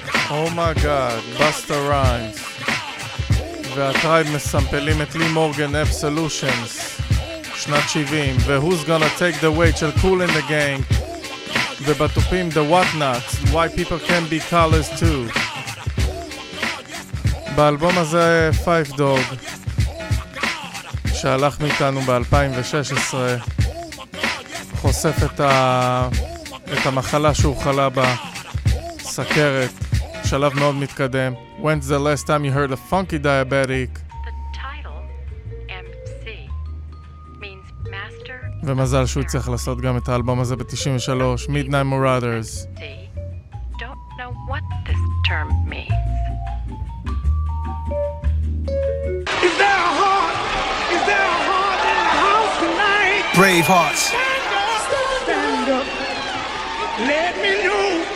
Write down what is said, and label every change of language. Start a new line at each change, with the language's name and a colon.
English: Oh my God, Busta Rhymes.
Hebrew: והטרייב מסמפלים את לי מורגן אבסולושנס שנת 70 ו-Who's Gonna Take the Weight של Cool in the Gang ובתופים The What Not, Why People Can't Be Colors Too. באלבום הזה Five Dog שהלך מאיתנו ב-2016 חושף את, את המחלה שהוא חלה בה, סכרת, שלב מאוד מתקדם.
English: When's the last time you heard a funky diabetic? The title MC means master.
Hebrew: ומזל שהוא צריך לעשות גם את האלבום הזה ב-93, Midnight Marauders.
English: Don't know what this term means. Is there a heart? Is there a heart in the house tonight? Brave hearts. Stand up. Let me know.